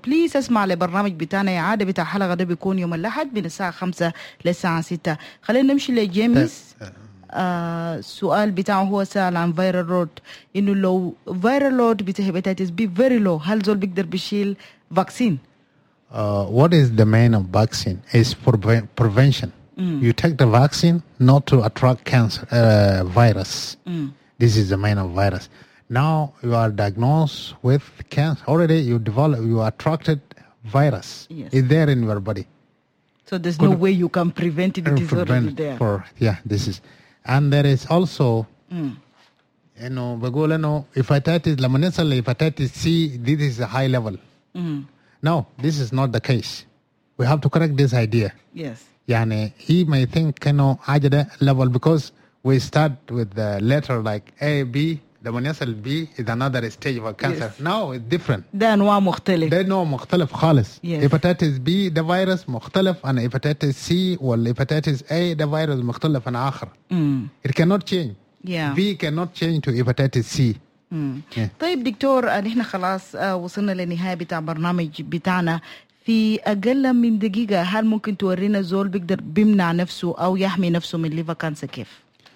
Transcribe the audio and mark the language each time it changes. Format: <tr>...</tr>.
<ar>بليز اسمع لبرنامج بتاعنا إعادة بتاع حلقة ده بيكون يوم الأحد من الساعة 5 للساعة 6. خلينا نمشي لجيمس. سؤال بتاعه هو سأل عن فيرال لود، إنه لو فيرال لود بتاع هيباتيتس بي فيري لو، هل زول بيقدر بيشيل فاكسين؟</ar> <en>What is the main of vaccine? It's for prevention. You take the vaccine not to attract cancer virus. This is the main of virus. Now you are diagnosed with cancer. Already you develop, you attracted virus. Yes. It's there in your body. So there's no way you can prevent it. It is already there. This is. And there is also, you know, because, hepatitis, lamanesale, hepatitis C, this is a high level. No, this is not the case. We have to correct this idea. Yes. Yani, he may think, you know, higher level because we start with the letter like A, B. لمنيسل B is another stage of cancer. Yes. Now it's different.</en> <ar>ده نوع مختلف. ده نوع مختلف خالص.</ar> <en>Yes. Hepatitis B, the virus</en> <ar>مختلف عن</ar> <en>hepatitis C والhepatitis A, the virus</en> <ar>مختلف عن آخر.</ar> <en>It cannot change. Yeah. B cannot change to hepatitis C.</en> <ar>طيب دكتور، نحن خلاص وصلنا لنهاية بتاع برنامج بتاعنا. في أقل من دقيقة، هل ممكن تورينا زول بيقدر بيمنع نفسه أو يحمي نفسه من liver cancer كيف؟</ar>